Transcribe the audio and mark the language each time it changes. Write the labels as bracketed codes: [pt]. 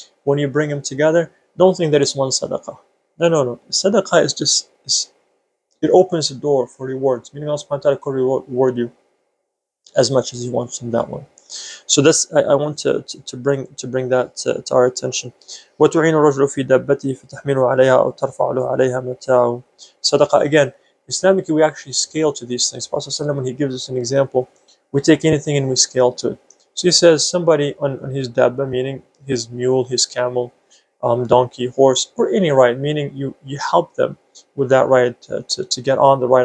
[en] When you bring them together, don't think that it's one sadaqah. No. Sadaqah is just, it opens the door for rewards. Meaning Allah subhanahu wa ta'ala could reward you as much as he wants in that one. So this, I want to bring that to our attention. [ar] وَتُعِينُ الرَّجْلُ فِي دَبَّتِهِ فَتَحْمِلُ عَلَيْهَا أَوْ تَرْفَعُ لُهُ عَلَيْهَا مَتَاعُ Sadaqah. [en] Again, Islamically, we actually scale to these things. Prophet ﷺ, when he gives us an example, we take anything and we scale to it. So he says, somebody on his dabba, meaning his mule, his camel, donkey, horse, or any ride, meaning you help them with that ride to get on the ride.